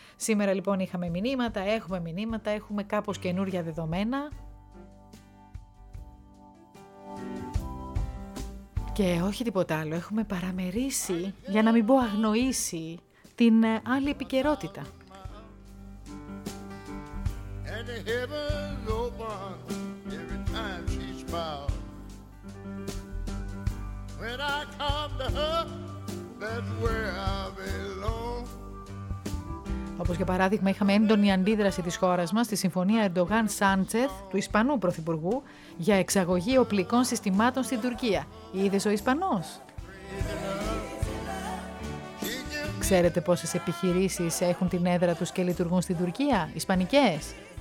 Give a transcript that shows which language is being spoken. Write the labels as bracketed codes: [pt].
[el] Σήμερα λοιπόν είχαμε μηνύματα, έχουμε μηνύματα, έχουμε κάπως καινούρια δεδομένα. Και όχι τίποτα άλλο, έχουμε παραμερίσει, για να μην πω αγνοήσει, την άλλη επικαιρότητα. [en] And the heavens open every time she smiles. When I come to her, that's where I belong. [el] Όπως για παράδειγμα, είχαμε έντονη αντίδραση της χώρας μας στη συμφωνία Ερντογάν-Σάντσεθ του Ισπανού Πρωθυπουργού για εξαγωγή οπλικών συστημάτων στην Τουρκία. Είδες, ο Ισπανός. Ξέρετε πόσες επιχειρήσεις έχουν την έδρα τους και λειτουργούν στην Τουρκία, ισπανικές.